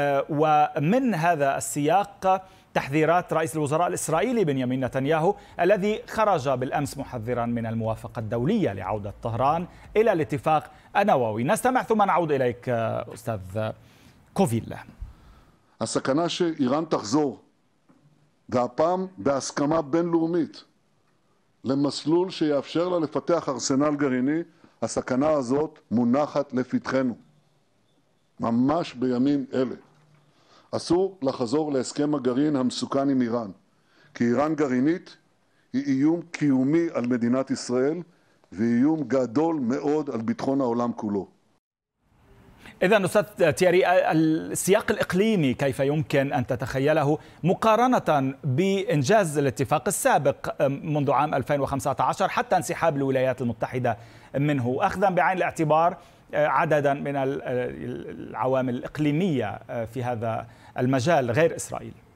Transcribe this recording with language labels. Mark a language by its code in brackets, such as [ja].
[ar] ومن هذا السياق تحذيرات رئيس الوزراء الإسرائيلي بنيامين نتنياهو الذي خرج بالأمس محذرا من الموافقة الدولية لعودة طهران إلى الاتفاق النووي. نستمع ثم نعود إليك أستاذ كوفيلا. [he] السكنة إيران تخزور והפעם בהסכמה בינלאומית למסלול שיאפשר לה לפתח ארסנל גרעיני, הסכנה הזאת מונחת לפתחנו. ממש בימים אלה. אסור לחזור להסכם הגרעין המסוכן עם איראן, כי איראן גרעינית היא איום קיומי על מדינת ישראל ואיום גדול מאוד על ביטחון העולם כולו. [ar] إذا أستاذ تياري، السياق الإقليمي كيف يمكن أن تتخيله مقارنة بإنجاز الاتفاق السابق منذ عام 2015 حتى انسحاب الولايات المتحدة منه، أخذا بعين الاعتبار عددا من العوامل الإقليمية في هذا المجال غير إسرائيل؟